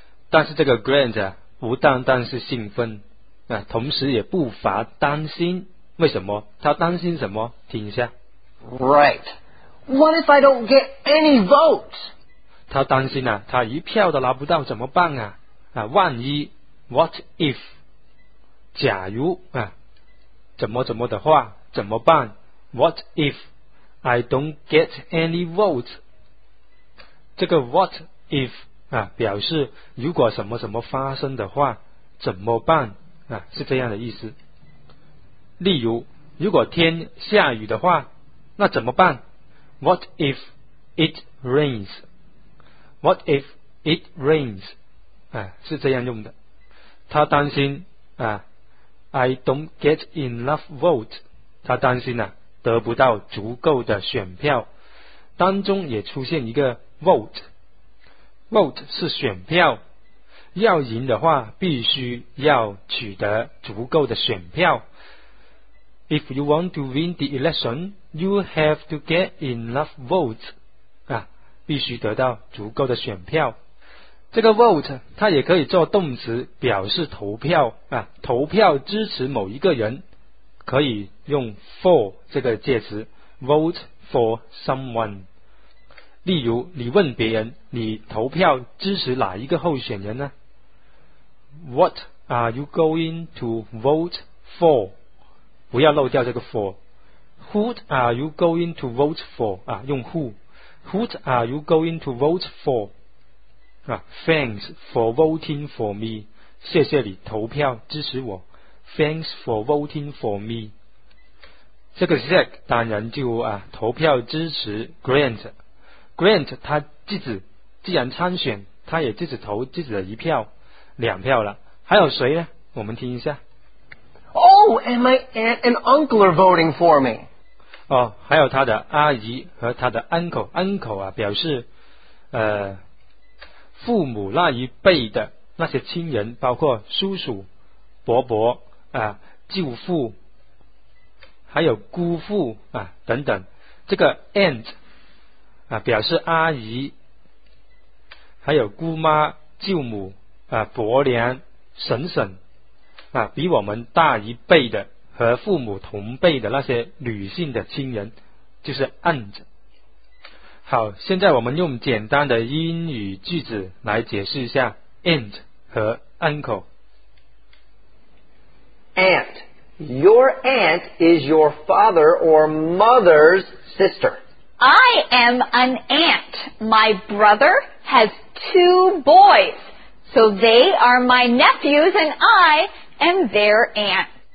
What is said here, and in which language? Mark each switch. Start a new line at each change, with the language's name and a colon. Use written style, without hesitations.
Chinese: 但是这个 Grant 不单单是兴奋同时也不乏担心。为什么？他担心什么？听一下。
English: Right. What if I don't get any votes?
Chinese: 他担心他一票都拿不到怎么办万一。
English: What if?
Chinese: 假如怎么怎么的话怎么办？
English: What if I don't get any votes?
Chinese: 这个 what if 表示如果什么什么发生的话怎么办是这样的意思。例如如果天下雨的话那怎么办？
English: What if it rains? What if it rains?
Chinese: 啊，是这样用的。他担心啊
English: ，I don't get enough votes。
Chinese: 他担心啊，得不到足够的选票。当中也出现一个 vote。vote 是选票，要赢的话必须要取得足够的选票。
English: If you want to win the election, you have to get enough votes.
Chinese: 啊，必须得到足够的选票。这个 vote 它也可以做动词，表示投票啊，投票支持某一个人，可以用 for 这个介词
English: vote for someone。
Chinese: 例如你问别人你投票支持哪一个候选人呢？
English: What are you going to vote for?
Chinese: 不要漏掉这个 for。
English: Who are you going to vote for? 啊，用 who。Who are you going to vote for? 啊， Thanks for voting for me.
Chinese: 谢谢你投票支持我。
English: Thanks for voting for me。
Chinese: 这个 Zack 当然就啊投票支持 Grant。 Grant 他自己既然参选，他也自己投自己的一票，两票了。还有谁呢？我们听一下。
English: Oh, and my aunt and uncle are voting for me.
Chinese: 哦，还有他的阿姨和他的 uncle 啊，表示父母那一辈的那些亲人，包括叔叔、伯伯啊、舅父，还有姑父啊等等。这个 aunt。啊，表示阿姨，还有姑妈、舅母啊、伯娘、婶婶啊，比我们大一辈的和父母同辈的那些女性的亲人，就是 aunt。好，现在我们用简单的英语句子来解释一下 aunt 和 uncle。
English: Aunt, your aunt is your father or mother's sister. I am an aunt. My brother has two boys, so they are my nephews, and I am their aunt.